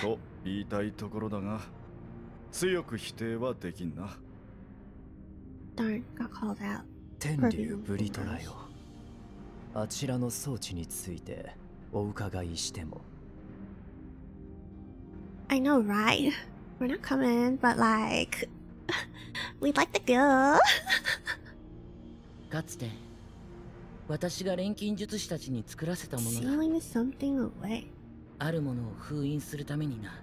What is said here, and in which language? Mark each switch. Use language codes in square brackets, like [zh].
[ja] と言いたいところだが、強く否定はできんな。 [en] Darn, got called out. [ja] 天竜ブリトラよ。あちらの装置についてお伺いしても。 [en] I know, right? We're not coming, but like, we'd like to go. [ja] かつて、私が錬金術師たちに作らせたものだ。 [en] Sealing something away. [ja] あるものを封印するためにな。